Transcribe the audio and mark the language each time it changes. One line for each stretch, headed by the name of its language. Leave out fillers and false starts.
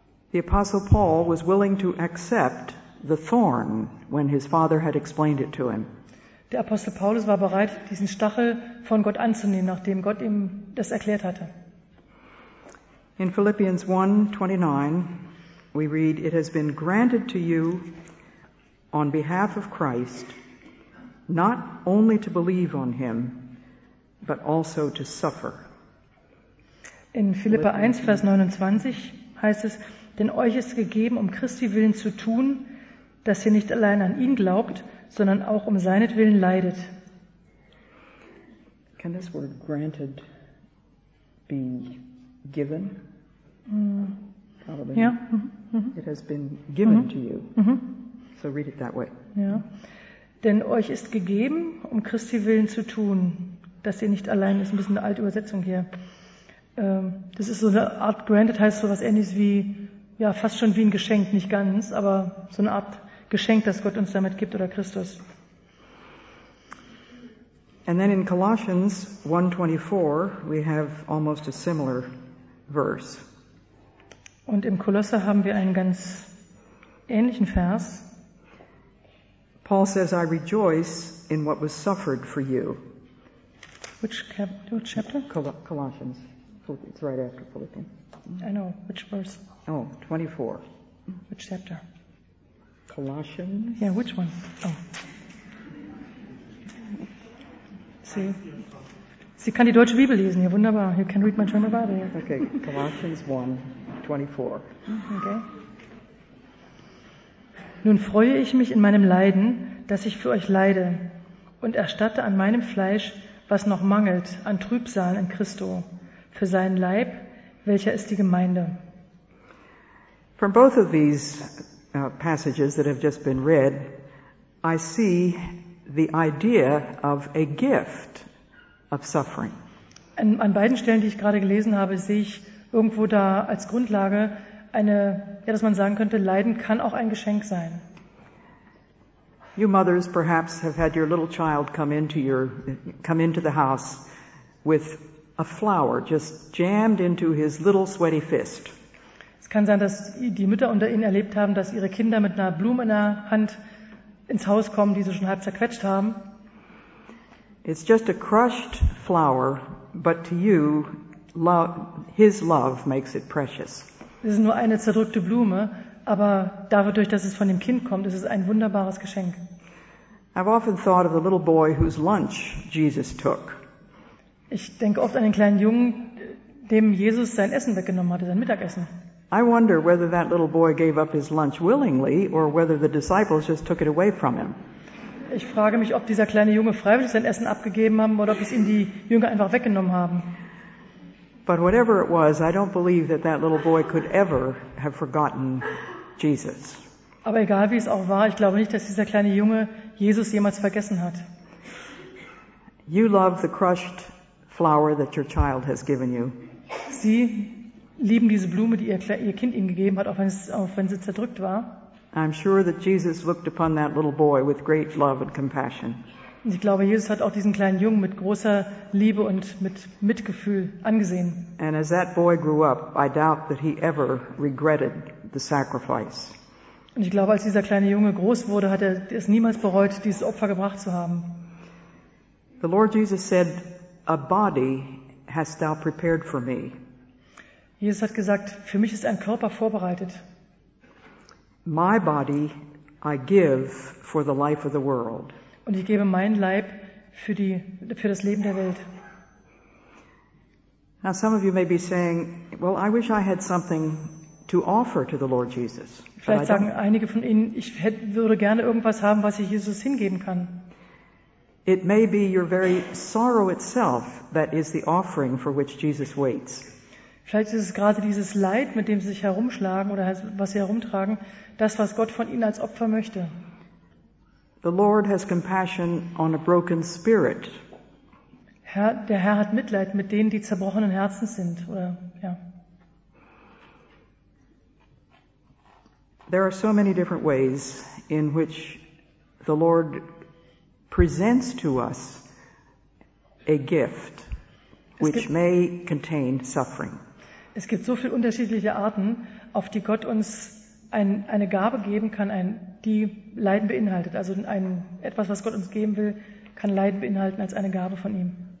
English: The Apostle Paul was willing to accept the thorn when his father had explained it to him.
German: Der Apostel Paulus war bereit, diesen Stachel von Gott anzunehmen, nachdem Gott ihm das erklärt hatte.
English: In Philippians 1:29 we read, it has been granted to you on behalf of Christ not only to believe on him but also to suffer.
German: In Philipper 1, Vers 29 heißt es, denn euch ist gegeben, um Christi willen zu tun, dass ihr nicht allein an ihn glaubt, sondern auch um seinetwillen leidet.
English: Can this word granted be given? Probably. Yeah. It has been given to you. So read it that way.
German: Ja. Denn euch ist gegeben, um Christi willen zu tun, dass ihr nicht allein, das ist ein bisschen eine alte Übersetzung hier. Das ist so eine Art, granted heißt so was ähnliches wie, ja, fast schon wie ein Geschenk, nicht ganz, aber so eine Art Geschenk, das Gott uns damit gibt, oder Christus.
English: And then in Colossians 1:24 we have almost a similar verse.
German: Und im Kolosser haben wir einen ganz ähnlichen Vers.
English: Paul says, I rejoice in what was suffered for you. Which chapter? Colossians. It's right after Philippians. I know. Which verse? Oh, 24. Which chapter? Colossians? Yeah, which one? Oh. See?
German: Sie kann die deutsche Bibel lesen. Ja, wunderbar.
English: You can read my German Bible. Yeah. Okay, Colossians 1. 24. Okay.
German: Nun freue ich mich in meinem Leiden, dass ich für euch leide und erstatte an meinem Fleisch, was noch mangelt, an Trübsal in Christo, für seinen Leib, welcher ist die Gemeinde.
English: From both of these passages that have just been read, I see the idea of a gift of suffering.
German: An beiden Stellen, die ich gerade gelesen habe, sehe ich irgendwo da als Grundlage eine, ja, dass man sagen könnte, Leiden kann auch ein Geschenk sein.
English: You mothers perhaps have had your little child come into the house with a flower just jammed into his little sweaty fist.
German: Es kann sein, dass die Mütter unter ihnen erlebt haben, dass ihre Kinder mit einer Blume in der Hand ins Haus kommen, die sie schon halb zerquetscht haben.
English: It's just a crushed flower, but to you, his love makes it precious.
German: Es ist nur eine zerdrückte Blume, aber dadurch, dass es von dem Kind kommt, ist es ein wunderbares Geschenk.
English: I've often thought of the little boy whose lunch Jesus took.
German: Ich denke oft an den kleinen Jungen, dem Jesus sein Essen weggenommen hatte, sein Mittagessen.
English: I wonder whether that little boy gave up his lunch willingly or whether the disciples just took it away from him.
German: Ich frage mich, ob dieser kleine Junge freiwillig sein Essen abgegeben haben oder ob es ihm die Jünger einfach weggenommen haben.
English: But whatever it was, I don't believe that that little boy could ever have forgotten Jesus.
German: Aber egal wie es auch war, ich glaube nicht, dass dieser kleine Junge Jesus jemals vergessen hat.
English: You love the crushed flower that your child has given you.
German: Sie lieben diese Blume, die ihr Kind ihnen gegeben hat, auch wenn sie zerdrückt war.
English: I'm sure that Jesus looked upon that little boy with great love and compassion.
German: Ich glaube, Jesus hat auch diesen kleinen Jungen mit großer Liebe und mit Mitgefühl angesehen.
English: And as that boy grew up, I doubt that he ever regretted the sacrifice.
German: Und ich glaube, als dieser kleine Junge groß wurde, hat er es niemals bereut, dieses Opfer gebracht zu haben.
English: The Lord Jesus said, a body hast thou prepared for me.
German: Jesus hat gesagt, für mich ist ein Körper vorbereitet.
English: My body I give for the life of the world.
German: Und ich gebe meinen Leib für das Leben der Welt.
English: Now some of you may be saying, well, I wish I had something to offer to the Lord Jesus.
German: Vielleicht sagen einige von Ihnen, ich würde gerne irgendwas haben, was ich Jesus hingeben kann.
English: It may be your very sorrow itself that is the offering for which Jesus waits.
German: Vielleicht ist es gerade dieses Leid, mit dem sie sich herumschlagen oder was sie herumtragen, das, was Gott von ihnen als Opfer möchte.
English: The Lord has compassion on a broken spirit.
German: Der Herr hat Mitleid mit denen, die zerbrochenen Herzen sind. Oder, ja.
English: There are so many different ways in which the Lord presents to us a gift which may contain suffering.
German: Es gibt so viele unterschiedliche Arten, auf die Gott uns eine Gabe geben kann, die Leiden beinhaltet. Also etwas, was Gott uns geben will, kann Leiden beinhalten als eine Gabe von ihm.